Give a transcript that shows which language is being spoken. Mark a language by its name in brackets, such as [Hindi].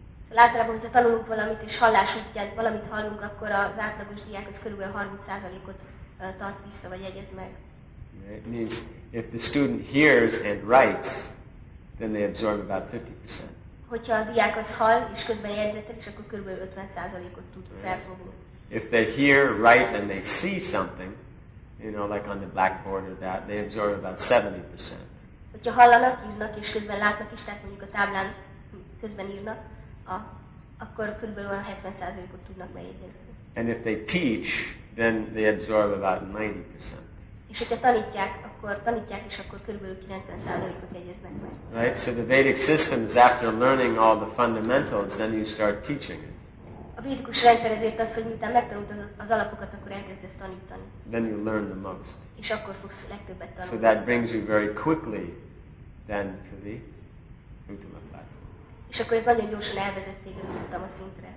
[Hungarian] Látom, hogy ha tanulunk valamit és hallás útján valamit hallunk, akkor az átlagos diák az körülbelül 30%-ot tart vissza vagy jegyez meg. [English] It means if the student hears and writes, then they absorb about 50%. [Hungarian] Hogyha a diák az hall és közben jegyzetel, és akkor körülbelül 50%-ot tud felfogni. [English] If they hear, write, and they see something, you know, like on the blackboard or that, they absorb about 70%. [Hungarian] Hogyha hallanak, írnak és közben látnak is, tehát mondjuk a táblán közben írnak, akkor körülbelül 70%-ot tudnak megjegyezni. [English] And if they teach, then they absorb about 90%. [Hungarian] És hogyha tanítják, akkor tanítják is, akkor körülbelül 90%-ot jegyeznek meg. [English] Right? So the Vedic system is after learning all the fundamentals, then you start teaching it. [Hungarian] A védikus rendszer ezért az, hogy miután megtanultad az alapokat, akkor elkezdesz tanítani. [English] Then you learn the most. [Hungarian] És akkor fogsz legtöbbet tanulni. [English] So that brings you very quickly then to the Uttama platform. [Hungarian] És akkor ez nagyon gyorsan elvezett téged az Uttama szintre.